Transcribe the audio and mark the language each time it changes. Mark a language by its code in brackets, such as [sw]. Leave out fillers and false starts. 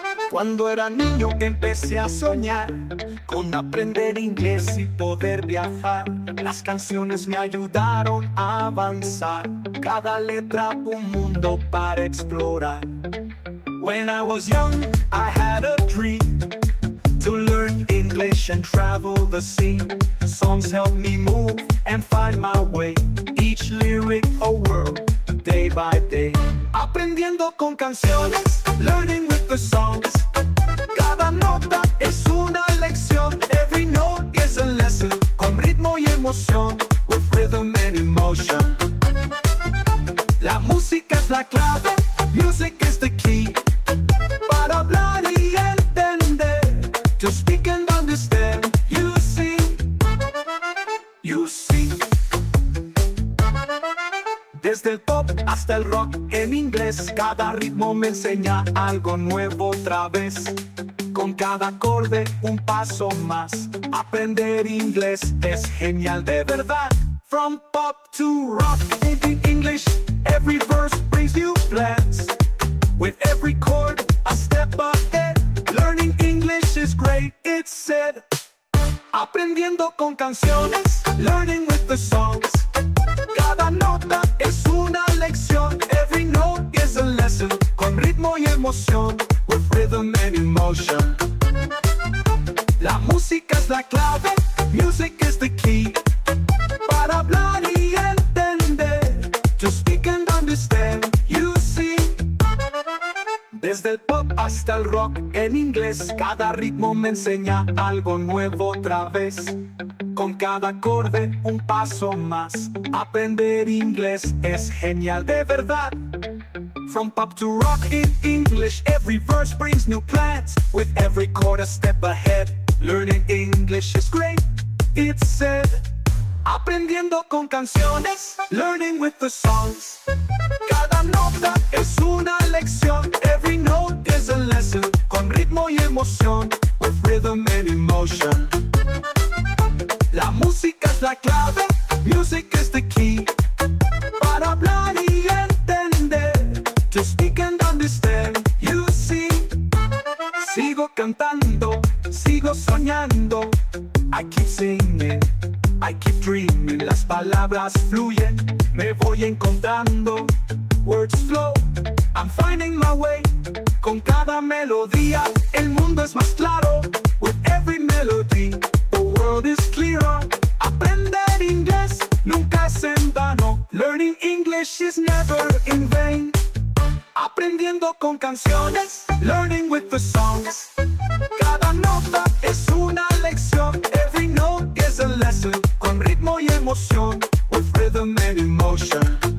[es] Cuando era niño empecé a soñar con aprender inglés y poder viajar. Las canciones me ayudaron a avanzar, cada letra un mundo para explorar. [en] When I was young, I had a dream to learn English and travel the sea. Songs helped me move and find my way, each lyric a world, day by day. [es] Aprendiendo con canciones, [en] learning with the songs. [es] Cada nota es una lección, [en] every note is a lesson, [es] con ritmo y emoción, [en] with rhythm and emotion. [es] La música es la clave, [en] music is the key, [es] para hablar y entender, [en] to speak and understand, you see, you see. [es] Desde el pop hasta el rock en inglés, cada ritmo me enseña algo nuevo otra vez. Con cada acorde un paso más, aprender inglés es genial de verdad. [en] From pop to rock into English, every verse brings new plans. With every chord a step ahead, learning English is great, it's said. [es] Aprendiendo con canciones, [en] learning with the songs. [es] Cada nota es una lección, [en] every note is a lesson, [es] con ritmo y emoción, [en] with rhythm and emotion. [es] La música es la clave, [en] music is the key, [es] para hablar y entender, [en] to speak and understand, you see. [es] Desde el pop hasta el rock en inglés, cada ritmo me enseña algo nuevo otra vez. Con cada acorde un paso más, aprender inglés es genial de verdad. [en] From pop to rock in English, every verse brings new plans. With every chord a step ahead, learning English is great, it's said. [es] Aprendiendo con canciones, [en] learning with the songs. [es] Cada nota es una lección, [en] every note is a lesson, [es] con ritmo y emoción, [en] with rhythm and emotion. [es] La música es la clave, [en] music is the key, [es] para hablar y entender, [en] to speak and understand, you see. [es] Sigo cantando, sigo soñando, [en] I keep singing, I keep dreaming. [es] Las palabras fluyen, me voy encontrando, [en] words flow, I'm finding my way. [es] Con cada melodía, el mundo es más claro, [en] with every melody, world is clearer. [es] Aprender inglés nunca es en vano. [en] Learning English is never in vain. [es] Aprendiendo con canciones, [en] learning with the songs. [es] Cada nota es una lección, [en] every note is a lesson, [es] con ritmo y emoción, [en] with rhythm and emotion.